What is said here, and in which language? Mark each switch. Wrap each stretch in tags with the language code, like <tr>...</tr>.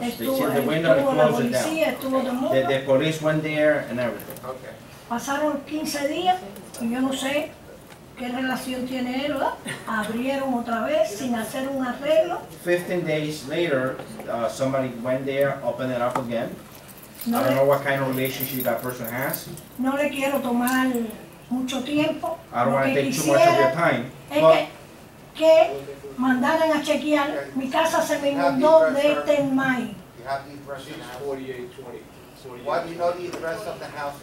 <en>They sealed the window and closed it down. The police went there and everything. Okay.</en> <es>Pasaron 15 días. Yo no sé qué relación tiene él, ¿verdad? Abrieron otra vez sin hacer un arreglo.</es> <en>15 days later, somebody went there, opened it up again. I don't know what kind of relationship that person has.</en> <es>No le quiero tomar mucho tiempo.</es> <en>I don't want to take too much of your time.</en> <es>Es que mandaran a chequear. Mi casa se me inundó de este en mayo.</es> <en>You have the address of 4823. Why do you know the address of the house?</en>